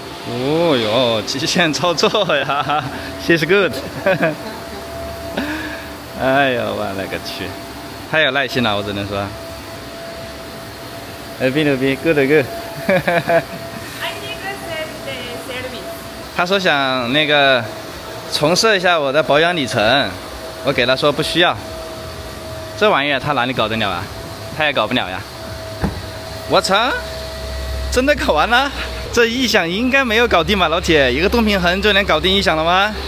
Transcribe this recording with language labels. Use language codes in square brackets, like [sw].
[zh] 哦哟，极限操作呀 ， [en] she's good [zh] 哎呦，我勒个去，太有耐心了，我只能说。哎，比牛逼 ， [en] good good。 I think that they said me。 [zh] 他说想那个重设一下我的保养里程，我给他说不需要。这玩意儿他哪里搞得了啊？他也搞不了呀。我操！真的搞完了？这异响应该没有搞定吧，老铁？一个动平衡就能搞定异响了吗？